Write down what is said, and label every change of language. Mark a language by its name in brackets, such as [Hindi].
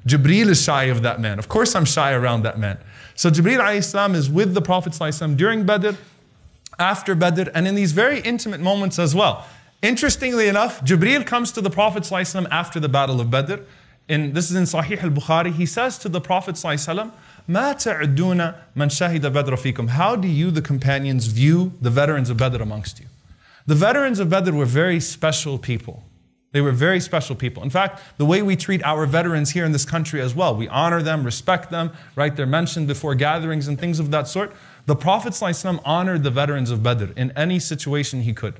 [English] Jibreel is shy of that man. Of course I'm shy around that man. So Jibreel alayhi salam is with the Prophet during Badr, after Badr, and in these very intimate moments as well. Interestingly enough, Jibreel comes to the Prophet after the Battle of Badr. This is in Sahih al-Bukhari. He says to the Prophet [Arabic] مَا تَعُدُّونَ مَنْ شَهِدَ بَدْرَ فِيكُمْ. [English] How do you, the companions, view the veterans of Badr amongst you? The veterans of Badr were very special people. They were very special people. In fact, the way we treat our veterans here in this country as well, we honor them, respect them, right? They're mentioned before gatherings and things of that sort. The Prophet ﷺ honored the veterans of Badr in any situation he could.